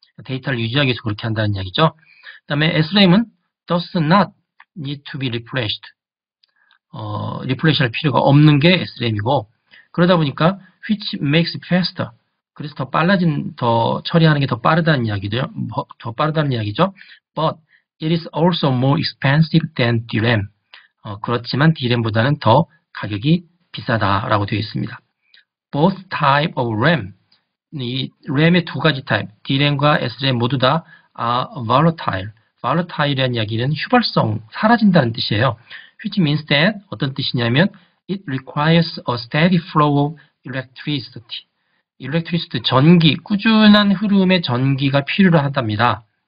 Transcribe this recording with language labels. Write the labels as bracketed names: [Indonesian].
[Korean] 데이터를 유지하기 위해서 그렇게 한다는 이야기죠. 그다음에 SRAM은 [English] does not need to be refreshed. [Korean] refresh 할 필요가 없는 게 SRAM이고, 그러다 보니까 [English] which makes faster. [Korean] 그래서 더 처리하는 게더 빠르다는 이야기죠. 더 빠르다는 이야기죠. [English] But it is also more expensive than DRAM. [Korean] 그렇지만 DRAM보다는 더 가격이 비싸다라고 되어 있습니다. [English] Both type of RAM. [Korean] 이 RAM의 두 가지 타입, DRAM과 SRAM 모두 다 [English] are volatile. [Korean] Volatile이라는 이야기는 휴발성, 사라진다는 뜻이에요. [English] Which means that [Korean] 어떤 뜻이냐면 [English] it requires a steady flow of electricity, [Korean] 전기, 꾸준한 흐름의 전기가 필요로 한답니다.